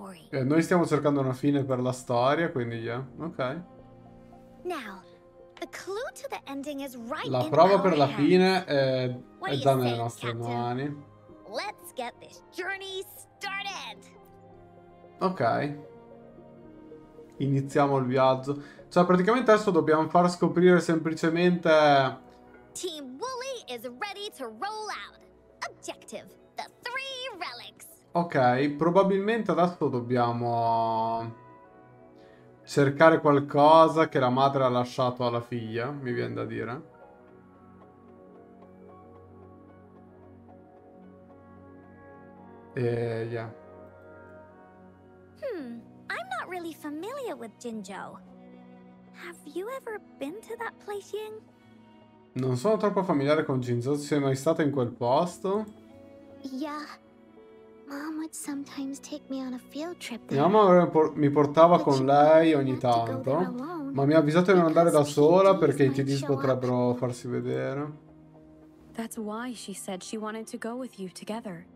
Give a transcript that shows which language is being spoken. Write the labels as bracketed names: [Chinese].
[Italian] E noi stiamo cercando una fine per la storia, quindi [English] yeah. [Italian] Ok. [English] Now, the clue to the ending is right in our hands. [Italian] La prova per la fine è già nelle nostre mani. [English] Let's get this journey started. [Italian] Ok. Iniziamo il viaggio. Cioè, praticamente adesso dobbiamo far scoprire semplicemente. [English] Team Wooly is ready to roll out. Objective: the three relics. [Italian] Ok, probabilmente adesso dobbiamo cercare qualcosa che la madre ha lasciato alla figlia, mi viene da dire. E [English] yeah. I'm not really familiar with Jinjo. Have you ever been to that place, Ying? [Italian] Non sono troppo familiare con Jinjo. Sei mai stata in quel posto? [English] Yeah. Mom would sometimes take me on a field trip. [Italian] Mia mamma mi portava con lei ogni tanto, ma mi ha avvisato di non andare da sola perché i TDs potrebbero farsi vedere. [English] That's why she said she wanted to go with you together.